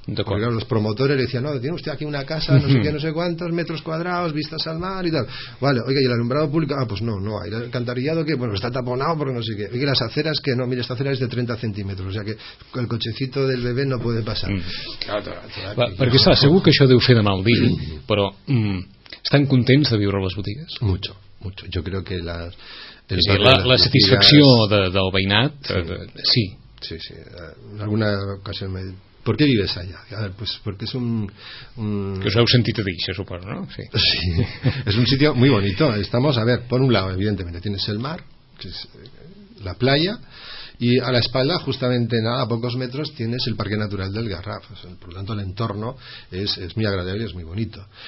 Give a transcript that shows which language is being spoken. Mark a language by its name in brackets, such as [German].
[Spanish] Porque claro, los promotores le decían, no, tiene usted aquí una casa, no sé qué, no sé cuántos metros cuadrados, vistas al mar y tal. Vale, oiga, ¿y el alumbrado público? Ah, pues no, no hay. ¿El alcantarillado qué? Bueno, está taponado porque no sé qué. Oiga, las aceras que no, mire, esta acera es de 30 centímetros, o sea que el cochecito del bebé no puede pasar. [Catalan] Perquè està, segur que això deu fer de mal dir, però estan contents de viure a les botigues? [Spanish] Mucho, mucho. Yo creo que las... [Catalan] La satisfacció del veïnat, sí. Sí, sí, en alguna ocasió me... [Spanish] ¿Por qué vives allá? A ver, pues porque es un... [Catalan] Que os heu sentit a dir, se suposo, ¿no? Sí. [Spanish] Sí, es un sitio muy bonito. Estamos, a ver, por un lado, evidentemente, tienes el mar, que es la playa, y a la espalda, justamente nada, a pocos metros, tienes el Parque Natural del Garraf. O sea, por lo tanto, el entorno es muy agradable, es muy bonito.